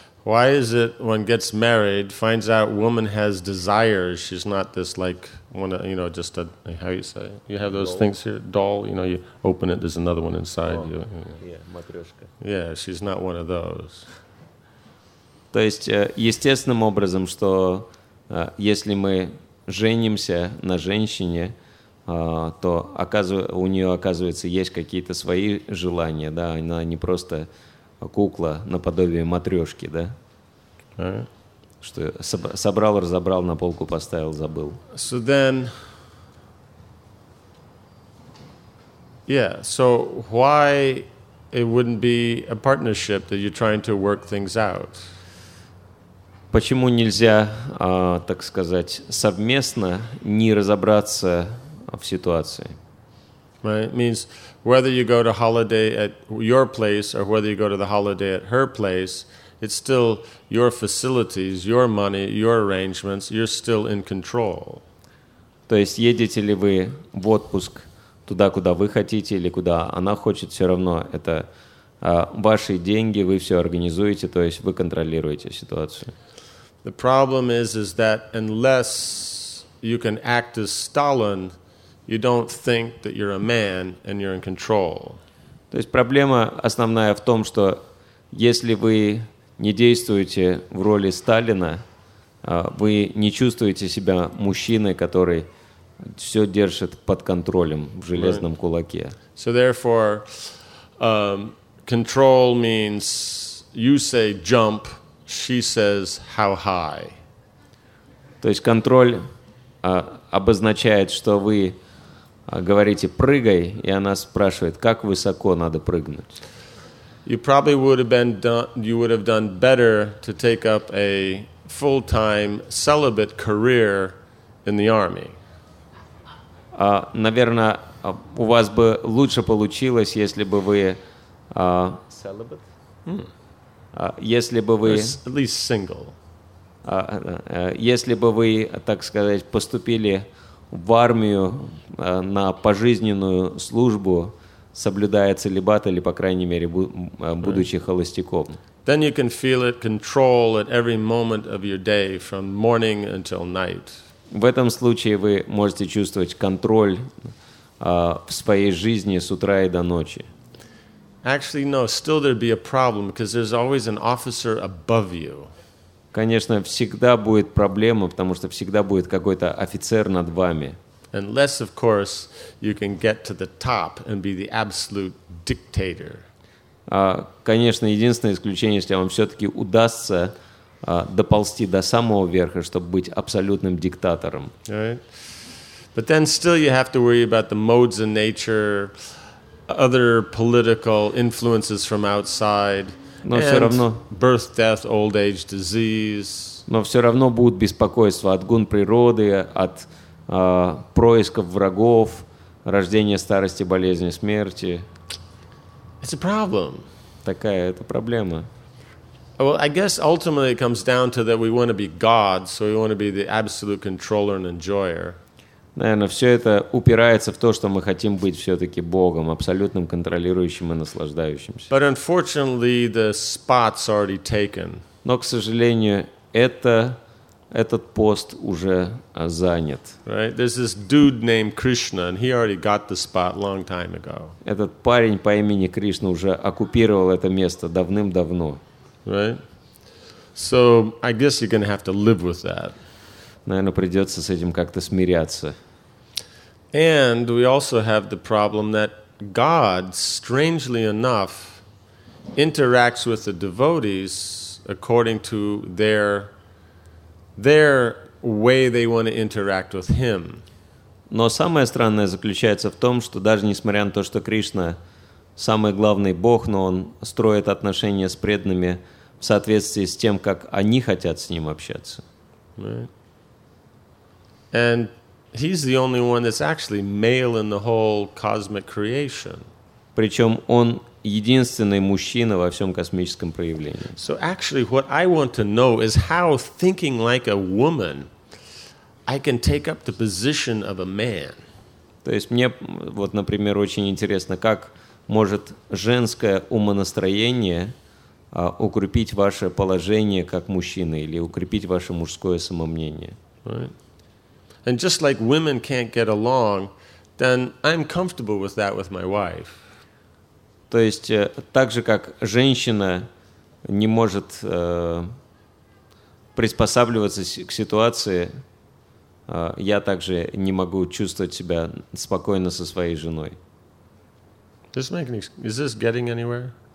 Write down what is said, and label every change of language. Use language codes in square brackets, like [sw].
[en] Why is it when gets married, finds out woman has desires, she's not this like, you know, just a, how you say, you have those things here, doll, you know, you open it, there's another one inside you. Yeah, матрешка. Yeah, she's not one of those. [ru] То есть, естественным образом, что если мы женимся на женщине, то у нее, оказывается, есть какие-то свои желания, да, она не просто... кукла наподобие матрешки, да? [en] Right. [ru] Что собрал, разобрал, на полку поставил, забыл. [en] So then, yeah. So why it wouldn't be a partnership that you're trying to work things out? [ru] Почему нельзя, так сказать, совместно не разобраться в ситуации? [en] Right. Means whether you go to holiday at your place or whether you go to the holiday at her place, it's still your facilities, your money, your arrangements, you're still in control. [ru] То есть едете ли вы в отпуск туда, куда вы хотите, или куда она хочет, все равно это ваши деньги, вы все организуете, то есть вы контролируете ситуацию. [en] The problem is that unless you can act as Stalin, you don't think that you're a man and you're in control. [ru] То есть проблема основная в том, что если вы не действуете в роли Сталина, вы не чувствуете себя мужчиной, который все держит под контролем в железном кулаке. [en] So therefore, control means you say jump, she says how high. [ru] То есть контроль обозначает, что вы говорите «прыгай», и она спрашивает, как высоко надо прыгнуть. [en] You probably would have been done, you would have done better to take up a full-time celibate career in the army. [ru] Наверное, у вас бы лучше получилось, если бы вы... [en] Celibate? [ru] Если бы вы... [en] At least single. [ru] Если бы вы, так сказать, поступили... в армию на пожизненную службу, соблюдая целибат или, по крайней мере, будучи холостяком. [en] Then you can feel it control at every moment of your day, from morning until night. [ru] В этом случае вы можете чувствовать контроль в своей жизни с утра и до ночи. [en] Actually, no, still there'd be a problem, because there's always an officer above you. [ru] Конечно, всегда будет проблема, потому что всегда будет какой-то офицер над вами. [en] Unless, of course, you can get to the top and be the absolute dictator. [ru] Конечно, единственное исключение, если вам все-таки удастся доползти до самого верха, чтобы быть абсолютным диктатором. [en] Right. But then still you have to worry about the modes of nature, other political influences from outside. [ru] Но все равно, [en] birth, death, old age, disease. [ru] Но все равно будут беспокойства от гун природы, от происков врагов, рождения, старости, болезни, смерти. [en] It's a problem. [ru] Такая это проблема. [en] Well, I guess ultimately it comes down to that we want to be God, so we want to be the absolute controller and enjoyer. [ru] Наверное, все это упирается в то, что мы хотим быть все-таки Богом, абсолютным контролирующим и наслаждающимся. [en] But unfortunately, the spot's already taken. [ru] Но, к сожалению, этот пост уже занят. [en] Right? There's this dude named Krishna, and he already got the spot long time ago. [ru] Этот парень по имени Кришна уже оккупировал это место давным-давно. [en] Right? So I guess you're gonna have to live with that. [ru] Наверное, придется с этим как-то смиряться. [en] And we also have the problem that God, strangely enough, interacts with the devotees according to their way they want to interact with Him. [ru] Но самое странное заключается в том, что даже несмотря на то, что Кришна самый главный Бог, но Он строит отношения с преданными в соответствии с тем, как они хотят с Ним общаться. [en] Right. And he's the only one that's actually male in the whole cosmic creation. [ru] Причем он единственный мужчина во всем космическом проявлении. [en] So actually what I want to know is how, thinking like a woman, I can take up the position of a man. [ru] То есть мне, вот, например, очень интересно, как может женское умонастроение укрепить ваше положение как мужчины или укрепить ваше мужское самомнение. [en] Right. And just like women can't get along, then I'm comfortable with that with my wife. [ru] То есть так же как женщина не может приспосабливаться к ситуации, я также не могу чувствовать себя спокойно со своей женой. [en] Is this getting anywhere?